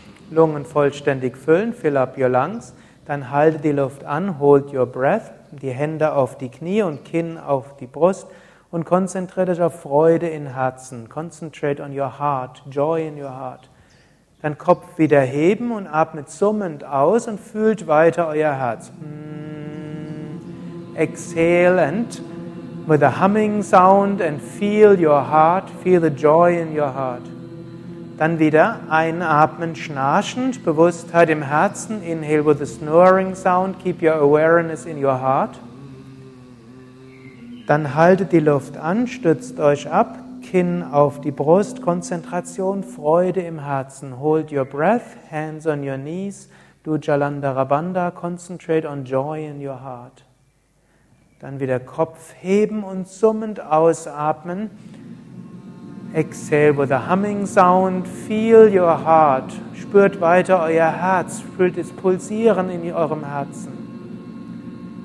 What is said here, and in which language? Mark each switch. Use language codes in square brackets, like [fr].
[de] Lungen vollständig füllen, [en] fill up your lungs, [de] dann halte die Luft an, [en] hold your breath, [de] die Hände auf die Knie und Kinn auf die Brust und konzentriere dich auf Freude in Herzen, [en] concentrate on your heart, joy in your heart. [de] Dann Kopf wieder heben und atmet summend aus und fühlt weiter euer Herz. [en] Exhale and with a humming sound and feel your heart, feel the joy in your heart. [de] Dann wieder einatmen, schnarchend, Bewusstheit im Herzen. [en] Inhale with a snoring sound, keep your awareness in your heart. [de] Dann haltet die Luft an, stützt euch ab, Kinn auf die Brust, Konzentration, Freude im Herzen. [en] Hold your breath, hands on your knees, do Jalandhara Bandha, concentrate on joy in your heart. [de] Dann wieder Kopf heben und summend ausatmen. [en] Exhale with a humming sound, feel your heart, [de] spürt weiter euer Herz, fühlt es pulsieren in eurem Herzen.